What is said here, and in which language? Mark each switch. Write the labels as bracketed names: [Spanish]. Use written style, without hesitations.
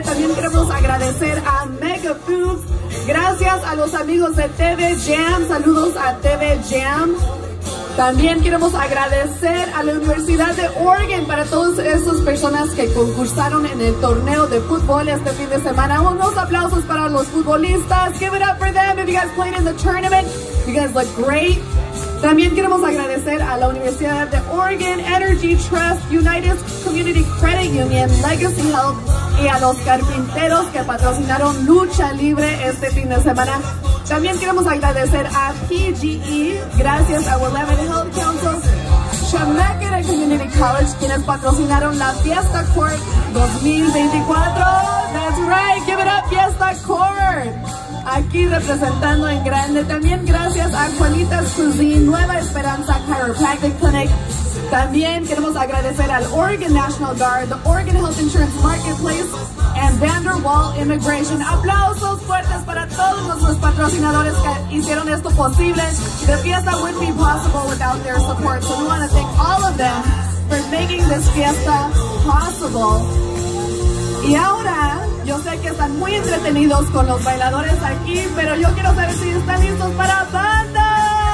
[Spanish] También queremos agradecer a Mega Foods. Gracias a los amigos de TV Jam. Saludos a TV Jam. También queremos agradecer a la Universidad de Oregon para todas esas personas que concursaron en el torneo de fútbol este fin de semana. Unos aplausos para los futbolistas. [English] Give it up for them if you guys played in the tournament. You guys look great. [Spanish] También queremos agradecer a la Universidad de Oregon, Energy Trust, United Community Credit Union, Legacy Health y a los carpinteros que patrocinaron Lucha Libre este fin de semana. También queremos agradecer a PGE, gracias a Willamette Health Council, Chemeketa Community College, quienes patrocinaron la Fiesta Court 2024. [English] That's right, give it up, Fiesta Court. [Spanish] Aquí representando en grande. También gracias a Juanita's Cuisine, Nueva Esperanza Chiropractic Clinic. También queremos agradecer al Oregon National Guard, the Oregon Health Insurance Marketplace, and Vanderwall Immigration. Aplausos fuertes para todos nuestros patrocinadores que hicieron esto posible. [English] The fiesta wouldn't be possible without their support. So we want to thank all of them for making this fiesta possible. [Spanish] Y ahora, yo sé que están muy entretenidos con los bailadores aquí, pero yo quiero saber si están listos para banda.